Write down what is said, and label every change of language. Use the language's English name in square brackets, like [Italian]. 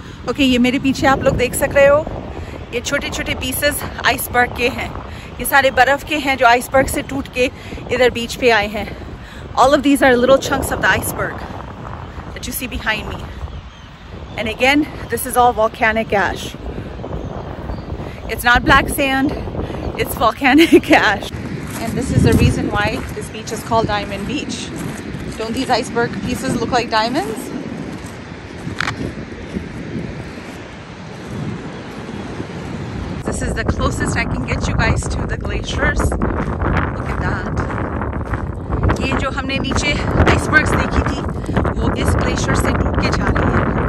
[Hindi] Okay ये मेरे पीछे आप लोग देख सक रहे हो, ये छोटे छोटे पीसेस आइसबर्ग के हैं. ये सारे बर्फ के हैं जो आइसबर्ग से टूट के इधर बीच पे आए हैं. [English] All of these are little chunks of the iceberg that you see behind me. And again, this is all volcanic ash. It's not black sand, it's volcanic ash. And this is the reason why this beach is called Diamond Beach. Don't these iceberg pieces look like diamonds? This is the closest I can get you guys to the glaciers. Look at that. [Hindi] ये जो हमने नीचे icebergs देखी थी, वो इस glacier से टूट के जा रही है.